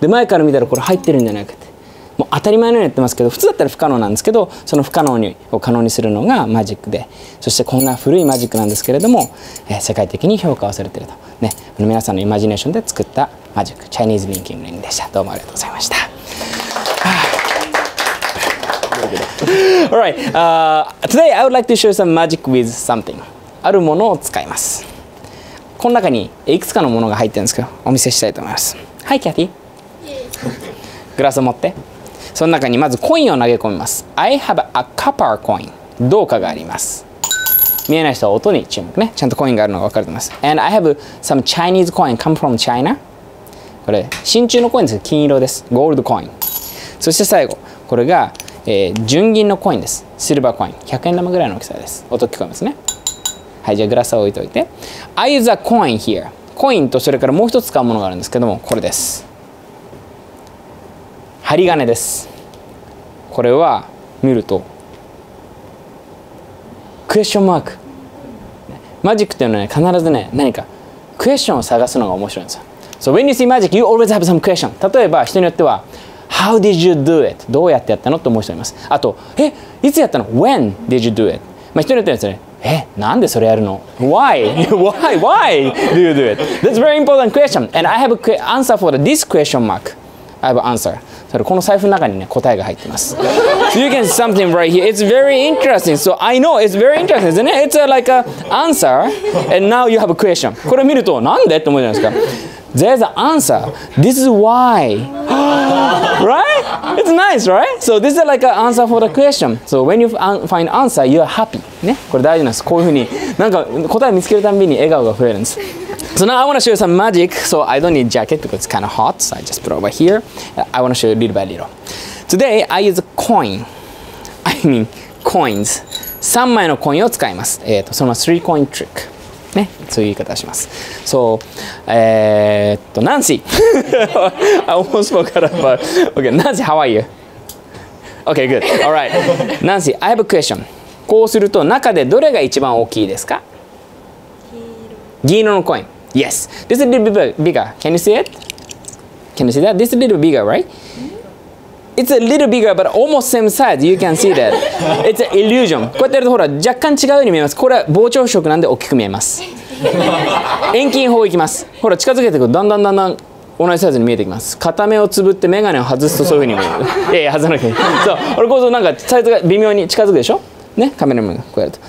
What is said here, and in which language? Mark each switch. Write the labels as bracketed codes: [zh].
[ja] で前から見たらこれ入ってるんじゃないかって、もう当たり前のようにやってますけど、普通だったら不可能なんですけど、その不可能を可能にするのがマジックで、そしてこんな古いマジックなんですけれども、世界的に評価をされていると、ね、皆さんのイマジネーションで作ったマジック、チャイニーズリンキングリングでした。どうもありがとうございました。 [en] Alright, today I would like to show some magic with something. [ja] あるものを使います。この中にいくつかのものが入ってるんですけど、お見せしたいと思います。はい、キャティ。グラスを持って。その中にまずコインを投げ込みます。 [en] I have a copper coin. [ja] 銅貨があります。見えない人は音に注目ね。ちゃんとコインがあるのが分かると思います。 [en] And I have some Chinese coin come from China. [ja] これ真鍮のコインです。金色です。 [en] Gold coin. [ja] そして最後これが、純銀のコインです。 [en] Silver coin. [ja] 100円玉ぐらいの大きさです。音聞こえますね。はい、じゃあグラスを置いておいて、 [en] I use a coin here. [ja] コインとそれからもう一つ使うものがあるんですけども、これです。針金です。これは見るとクエスチョンマーク。マジックっていうのは、ね、必ずね何かクエスチョンを探すのが面白いんですよ。 [en] So when you see magic, you always have some question. [ja] 例えば人によっては [en] How did you do it? [ja] どうやってやったのって思う人います。あと、え、いつやったの？ [en] When did you do it? [ja] まあ人によってはですね、え、なんでそれやるの？ [en] Why? Why? Why do you do it? That's a very important question. And I have an answer for this question mark. I have an answer. [ja] それこの財布の中にね答えが入ってます。 [en] So、you can see something right here. It's very interesting. So I know it's very interesting, isn't it? It's like an answer. And now you have a question. [ja] これ見るとなんでって思うじゃないですか。 [en] There's an answer. This is why. Right? It's nice, right? So this is like an answer for the question. So when you find answer, you are happy. [ja] ね、これ大事なんです。こういうふうになんか答え見つけるたびに笑顔が増えるんです。 [en] So now I want to show you some magic. So I don't need jacket because it's kind of hot. So I just put it over here. I want to show you little by little. Today I use a coin. I mean coins. [ja] 3枚のコインを使います。その3 coin trick。ね、そういう言い方をします。 [en] So, Nancy! I almost spoke out of it. Okay, Nancy, how are you? Okay, good. Alright. Nancy, I have a question. [ja] こうすると中でどれが一番大きいですか？銀色のコイン。 [en] Yes. This is a little bit bigger. Can you see it? Can you see that? This is a little bigger, right? It's a little bigger, but almost same size. You can see that. It's an illusion. [ja] こうやってるとほら、若干違うように見えます。これは膨張色なんで大きく見えます。遠近法いきます。ほら、近づけていくと、だんだんだんだん同じサイズに見えてきます。片目をつぶって眼鏡を外すとそういう風に見える。いやいや、外さなくていい。そう、これこそなんかサイズが微妙に近づくでしょ？ね、カメラマンがこうやると。